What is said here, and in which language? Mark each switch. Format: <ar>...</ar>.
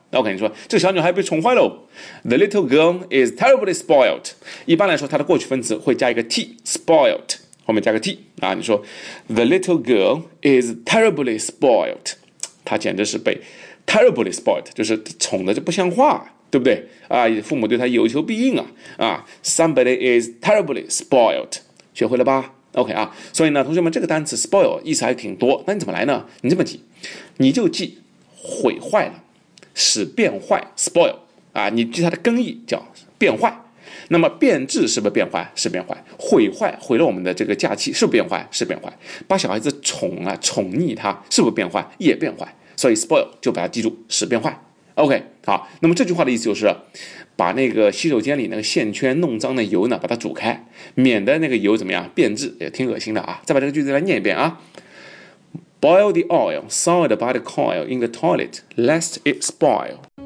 <zh>OK， 你说这小女孩被宠坏了，</zh> <en>The little girl is terribly spoiled，</en> <zh>一般来说它的过去分词会加一个 t， spoiled 后面加个 t 啊。你说</zh> <en>The little girl is terribly spoiled，</en> <zh>她简直是被</zh> <en>terribly spoiled，</en> <zh>就是宠的就不像话对不对啊？父母对她有求必应啊啊。</zh> <en>Somebody is terribly spoiled， 学会了吧？</en> <zh>OK 啊，所以呢同学们这个单词 spoil 意思还挺多，那你怎么来呢？你这么记，你就记毁坏了使变坏 spoil 啊，你记它的根意叫变坏，那么变质是不是变坏？是变坏。毁坏毁了我们的这个假期是不是变坏？是变坏。把小孩子宠啊宠溺他是不是变坏？也变坏。所以 spoil 就把它记住使变坏。OK 好，那么这句话的意思就是把那个洗手间里那个线圈弄脏的油呢把它煮开，免得那个油怎么样变质，也挺恶心的啊。再把这个句子来念一遍啊，</zh> <en>Boil the oil soiled by the coil in the toilet, lest it spoil.</en>